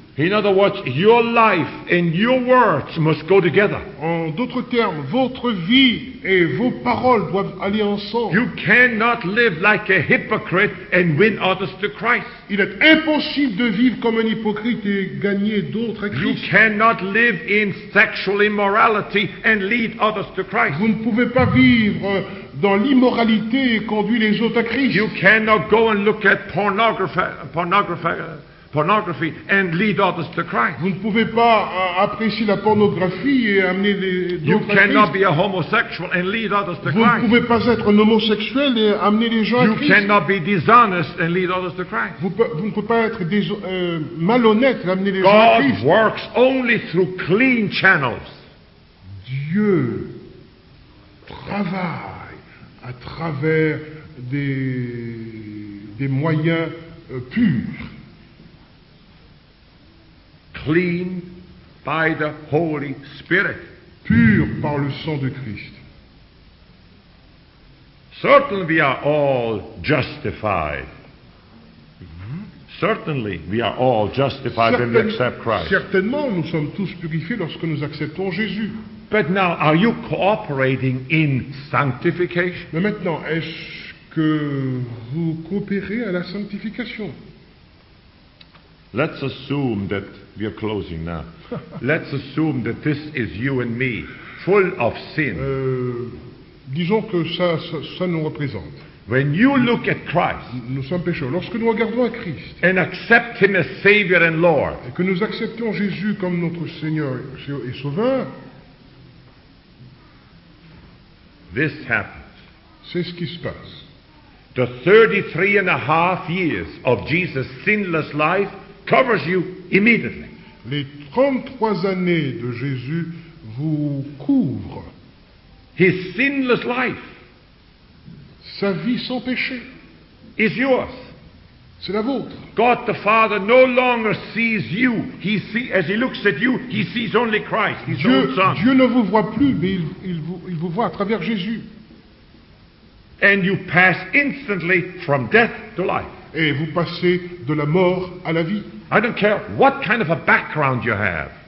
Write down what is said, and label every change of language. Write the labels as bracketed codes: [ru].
[en] In other words, your life and your words must go together. [fr] En d'autres termes, votre vie et vos paroles doivent aller ensemble. [en] You cannot live like a hypocrite and win others to Christ. [fr] Il est impossible de vivre comme un hypocrite et gagner d'autres à Christ. [en] You cannot live in sexual immorality and lead others to Christ. [fr] Vous ne pouvez pas vivre dans l'immoralité et conduire les autres à Christ. [en] You cannot go and look at pornography. pornography and lead others to Christ. [fr] Vous ne pouvez pas apprécier la pornographie et amener d'autres à Christ. [en] You cannot be a homosexual and lead others to Christ. [fr] Vous ne pouvez pas être un homosexuel et amener les gens à Christ. [en] You cannot be dishonest and lead others to Christ. [fr] Vous ne pouvez pas être malhonnête et amener les [en] God [fr] gens à Christ. [en] God works only through clean channels. [fr] Dieu travaille à travers des moyens purs. [en] Clean by the Holy Spirit. [fr] Pur par le sang de Christ. [en] Certainly we are all justified. Certainly we are all justified when we accept Christ. [fr] Certainement nous sommes tous purifiés lorsque nous acceptons Jésus. [en] But now, are you cooperating in sanctification? [fr] Mais maintenant, est-ce que vous coopérez à la sanctification? [en] Let's assume that we are closing now. Let's assume that this is you and me, full of sin. [fr] Disons que ça nous représente. [en] When you look at Christ, [fr] nous sommes pécheurs. Lorsque nous regardons à Christ, [en] and accept Him as Savior and Lord, [fr] et que nous acceptons Jésus comme notre Seigneur et Sauveur, [en] this happens. [fr] C'est ce qui se passe. [en] The 33 and a half years of Jesus' sinless life covers you immediately. [fr] Les 33 années de Jésus vous couvrent. [en] His sinless life. [fr] Sa vie sans péché. [en] Is yours. [fr] C'est la vôtre. [en] God the Father no longer sees you. He see, as he looks at you, he sees only Christ, his [fr] Dieu, [en] own son. [fr] Dieu ne vous voit plus, mais il vous voit à travers Jésus. [en] And you pass instantly from death to life. [fr] Et vous passez de la mort à la vie. [en] I don't care what kind of a background you have.